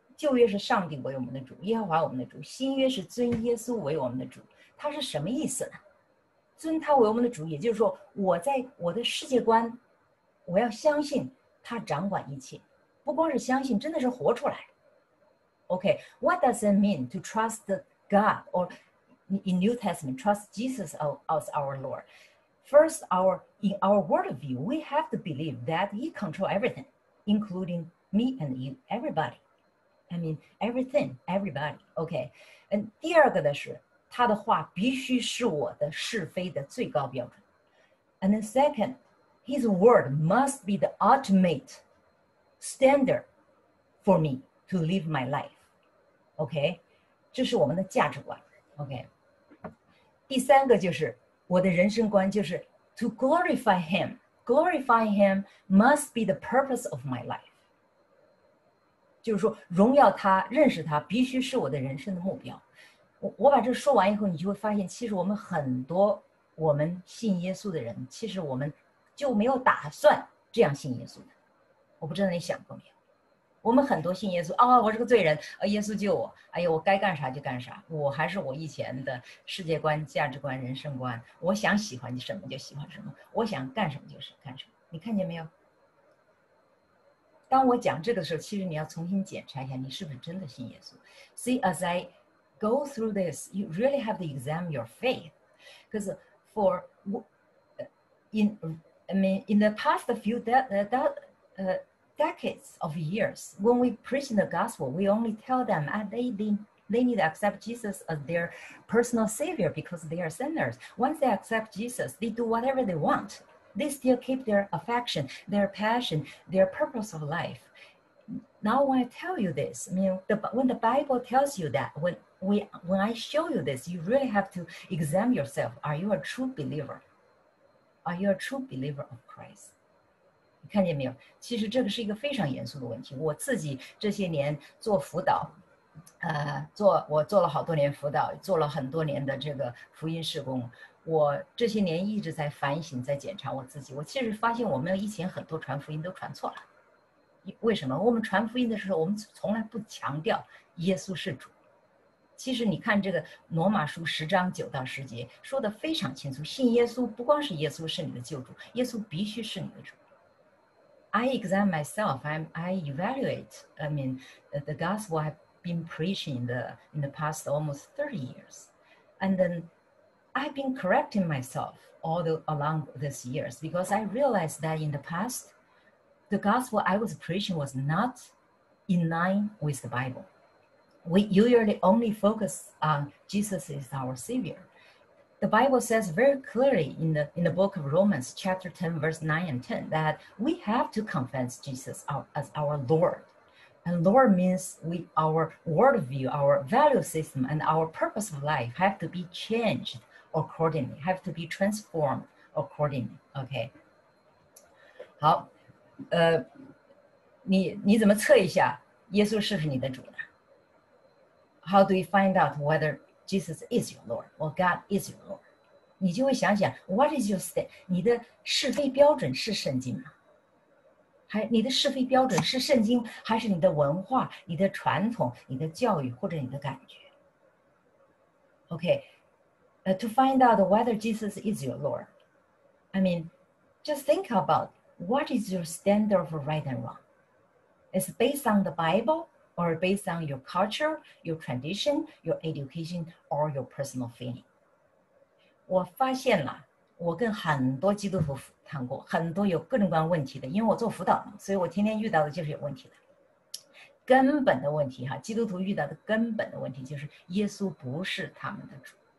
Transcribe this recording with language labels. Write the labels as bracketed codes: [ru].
[zh] 旧约是上帝为我们的主，耶和华我们的主。新约是尊耶稣为我们的主。它是什么意思呢？尊他为我们的主，也就是说我在我的世界观，我要相信他掌管一切。不光是相信，真的是活出来。 [en] Okay, what does it mean to trust God or in New Testament, trust Jesus as our Lord? First, in our worldview, we have to believe that he controls everything, including me and you, everybody. I mean, everything, everybody. Okay, and [zh] 第二个的是，他的话必须是我的是非的最高标准。 [en] And then second, his word must be the ultimate standard for me to live my life. [zh] Okay? 这是我们的价值观。Okay? 第三个就是我的人生观就是 [en] to glorify him. Glorify him must be the purpose of my life. [zh] 就是说荣耀他认识他必须是我的人生的目标。我把这说完以后你就会发现其实我们很多我们信耶稣的人其实我们就没有打算这样信耶稣的。我不知道你想过没有，我们很多信耶稣啊、哦，我是个罪人，耶稣救我，哎呀，我该干啥就干啥，我还是我以前的世界观、价值观、人生观，我想喜欢什么就喜欢什么，我想干什么就是干什么。你看见没有？当我讲这个时候，其实你要重新检查一下，你是不是真的信耶稣。 [en] See, as I go through this, you really have to examine your faith, because for in the past few decades of years, when we preach in the gospel, we only tell them they need to accept Jesus as their personal savior because they are sinners. Once they accept Jesus, they do whatever they want. They still keep their affection, their passion, their purpose of life. Now when I tell you this, I mean, when the Bible tells you that, when I show you this, you really have to examine yourself. Are you a true believer? Are you a true believer of Christ? [zh] 看见没有？其实这个是一个非常严肃的问题。我自己这些年做辅导，我做了好多年辅导，做了很多年的这个福音事工，我这些年一直在反省，在检查我自己。我其实发现我们以前很多传福音都传错了。为什么？我们传福音的时候，我们从来不强调耶稣是主。其实你看这个罗马书10:9-10说得非常清楚，信耶稣不光是耶稣是你的救主，耶稣必须是你的主。 [en] I examine myself, I evaluate, I mean, the gospel I've been preaching in the past almost 30 years. And then I've been correcting myself along these years because I realized that in the past, the gospel I was preaching was not in line with the Bible. We usually only focus on Jesus is our Savior. The Bible says very clearly in the book of Romans, chapter 10, verse 9 and 10, that we have to confess Jesus as our Lord. And Lord means our worldview, our value system, and our purpose of life have to be changed accordingly, have to be transformed accordingly. Okay. [zh] 好，你怎么测一下耶稣是不是你的主呢？ [en] How do you find out whether Jesus is your Lord or God is your Lord? [zh] 你就会想想 , [en] what is your state? [zh] 你的是非标准是圣经吗？还你的是非标准是圣经还是你的文化你的传统你的教育或者你的感觉 [en] ?Okay,to find out whether Jesus is your Lord, I mean, just think about what is your standard of right and wrong? It's based on the Bible? Or based on your culture, your tradition, your education, or your personal feeling. [zh] 我发现了，我跟很多基督徒谈过，很多有各种各样问题的，因为我做辅导嘛，所以我天天遇到的就是有问题的。根本的问题哈，基督徒遇到的根本的问题就是耶稣不是他们的主。